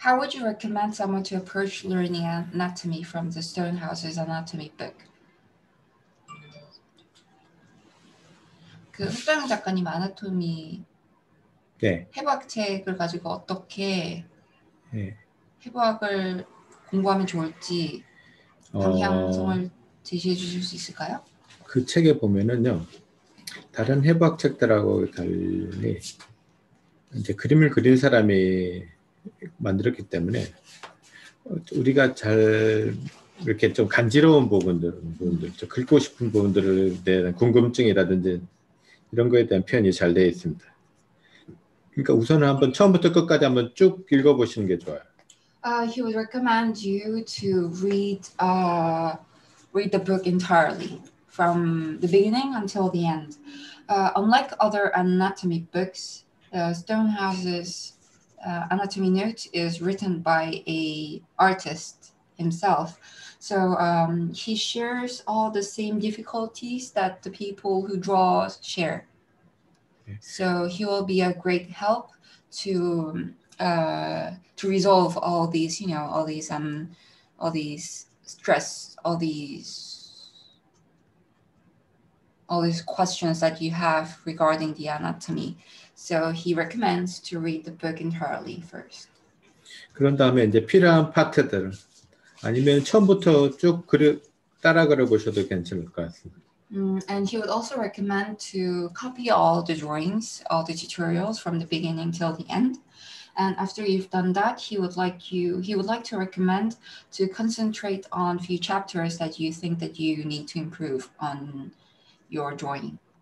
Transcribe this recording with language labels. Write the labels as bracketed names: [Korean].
[English] 'd you recommend someone to approach learning anatomy from the Stonehouse's anatomy book? [Korean] 그 흑정 작가님 아나토미 네. 해부학 책을 가지고 어떻게 네. 해부학을 공부하면 좋을지 방향성을 제시해 주실 수 있을까요? 그 책에 보면은요 다른 해부학 책들하고 달리 이제 그림을 그린 사람이 만들었기 때문에 우리가 잘 이렇게 좀 간지러운 부분들, 좀 긁고 싶은 부분들에 대한 궁금증이라든지 이런 거에 대한 표현이 잘 되어 있습니다. 그러니까 우선은 한번 처음부터 끝까지 한번 쭉 읽어보시는 게 좋아요. [English] He would recommend you to read the book entirely from the beginning until the end. Unlike other anatomy books, Stonehouse's anatomy note is written by a artist himself. So he shares all the same difficulties that the people who draw share. So he will be a great help to resolve all these, you know, all these stress, all these questions that you have regarding the anatomy. So he recommends to read the book entirely first. [Korean] 그런 다음에 이제 필요한 파트들 아니면 처음부터 쭉 따라 그려보셔도 괜찮을 것 같습니다. [English] And he would also recommend to copy all the drawings, all the tutorials from the beginning till the end. And after you've done that, he would like to recommend to concentrate on few chapters that you think that you need to improve on your drawing.